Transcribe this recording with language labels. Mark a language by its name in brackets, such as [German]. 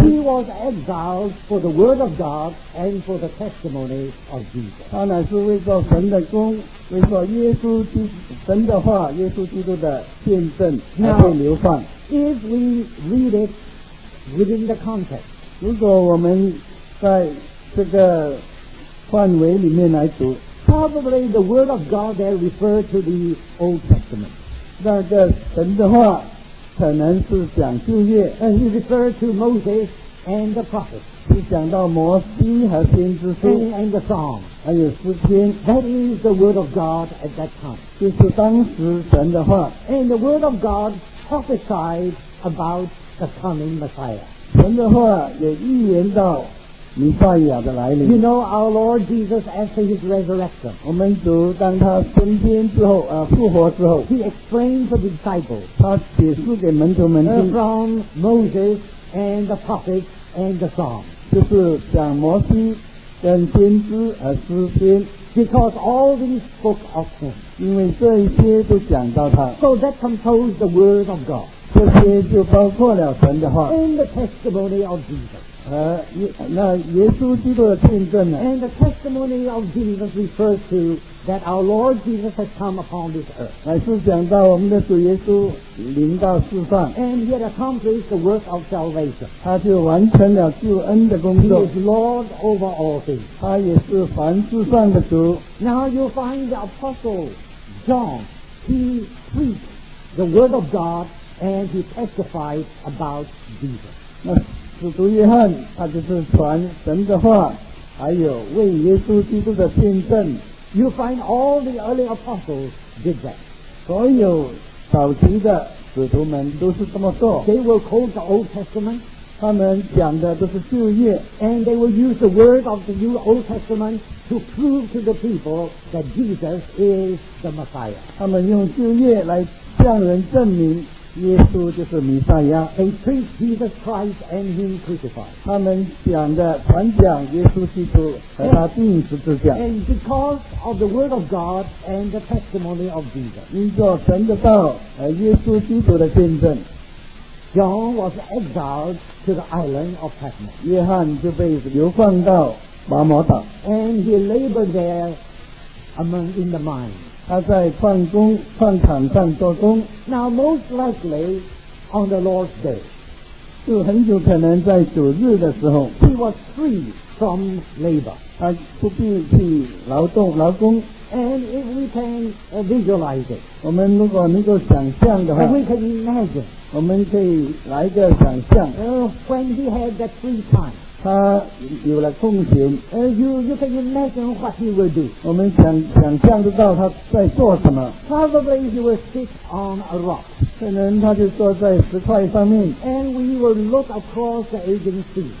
[English] He was exiled for the word of God and for the testimony of Jesus. [Chinese] 他乃是为做神的工，为做耶稣基督神的话，耶稣基督的见证才被流放。 [English] Now, if we read it within the context, [Chinese] 如果我们在这个范围里面来读 [English] ，probably the word of God there refers to the Old Testament. [Chinese] 那个神的话。可能是讲旧约 [English] and he referred to Moses and the prophets. [Chinese] 是讲到摩西和先知书 [English] and the Psalms. [Chinese] 还有诗篇 [English] That is the word of God at that time. [Chinese] 就是当时神的话 [English] And the word of God prophesied about the coming Messiah. [Chinese] 神的话也预言到弥赛亚的来临 [English] You know our Lord Jesus after his resurrection [Chinese] 我们读当他升天之后复活之后 [English] He explained to the disciples [Chinese] 他解释给门徒们听 [English] From Moses and the prophets and the Psalms [Chinese] 就是讲摩西跟先知和诗篇 [English] Because all these spoke of him [Chinese] 因为这一些都讲到他 [English] So that composed the word of God [Chinese] 这些就包括了神的话 [English] And the testimony of Jesus [Chinese] 那耶稣基督的见证呢 [English] And the testimony of Jesus refers to that our Lord Jesus has come upon this earth. [Chinese] 乃是讲到我们的主耶稣临到世上 [English] And he had accomplished the work of salvation. [Chinese] 他就完成了救恩的工作 [English] He is Lord over all things. [Chinese] 他也是凡世上的主 [English] Now you find the apostle John, he preached the word of God and he testified about Jesus. [Chinese] 那使徒约翰他就是传神的话还有为耶稣基督的见证 [English] You find all the early apostles did that [Chinese] 所有早期的使徒们都是这么做 [English] They will quote the Old Testament [Chinese] 他们讲的都是旧约 [English] And they will use the word of the new Old Testament to prove to the people that Jesus is the Messiah [Chinese] 他们用旧约来向人证明耶稣就是弥赛亚 [English] They preach Jesus Christ and him crucified [Chinese] 他们讲的传讲耶稣基督和他钉十字架 [English] And because of the word of God and the testimony of Jesus [Chinese] 因着神的道和耶稣基督的见证 [English] John was exiled to the island of Patmos [Chinese] 约翰就被流放到拔摩岛 [English] And he labored there among in the mine [Chinese] 他在矿场上做工 [English] Now most likely on the Lord's day [Chinese] 就很久可能在主日的时候 [English] he was free from labor [Chinese] 他不必去劳动劳工 [English] and if we can visualize it [Chinese] 我们如果能够想象的话 [English] and we can imagine [Chinese] 我们可以来一个想象 [English] when he had that free time [Chinese] 他有了空闲 [English] you can imagine what he will do [Chinese] 我们想象得到他在做什么 [English] probably he will sit on a rock [Chinese] 可能他就坐在石块上面 [English] and we will look across the Aegean Sea